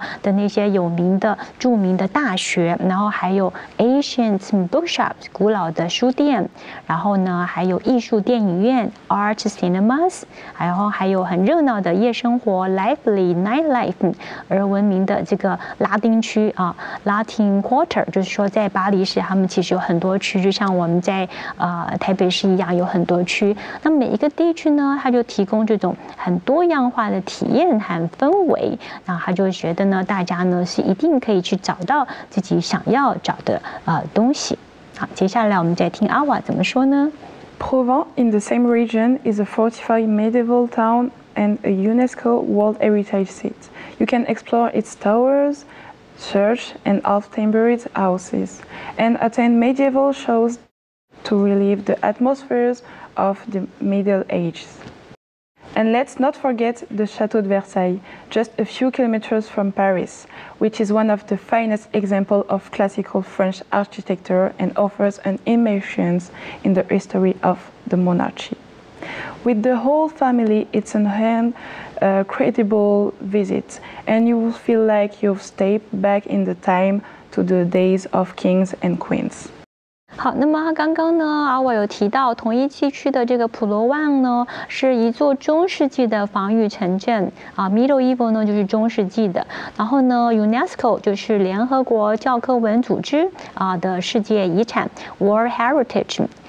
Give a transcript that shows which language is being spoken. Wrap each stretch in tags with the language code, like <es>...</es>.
<zh>的那些有名的著名的大学，然后还有</zh> <en>ancientBookshops</en> <zh>古老的书店，然后呢还有艺术电影院</zh> <en>Art Cinemas，</en> <zh>然后还有很热闹的夜生活</zh> <en>Lively Nightlife，</en> <zh>而闻名的这个拉丁区Latin Quarter， 就是说在巴黎市他们其实有很多区，就像我们在台北市一样有很多区。那每一个地区呢，它就提供这种很多样化的体验和氛围，然后他就觉得呢，大家呢是一定可以去找到自己想要找的东西。好，接下来我们再听阿瓦怎么说呢。</zh> <en>Provence in the same region is a fortified medieval town and a UNESCO World Heritage Site. You can explore its towers, church and half-timbered houses, and attend medieval shows to relive the atmospheres of the Middle Ages. And let's not forget the Château de Versailles, just a few kilometers from Paris. Which is one of the finest examples of classical French architecture and offers an immersion in the history of the monarchy. With the whole family, it's an incredible visit, and you will feel like you've stepped back in the time to the days of kings and queens.</en> <zh>好，那么刚刚呢，我有提到同一地区的这个普罗旺呢，是一座中世纪的防御城镇啊 ，Medieval 呢就是中世纪的，然后呢 ，UNESCO 就是联合国教科文组织啊的世界遗产</zh> <en>World Heritage，</en>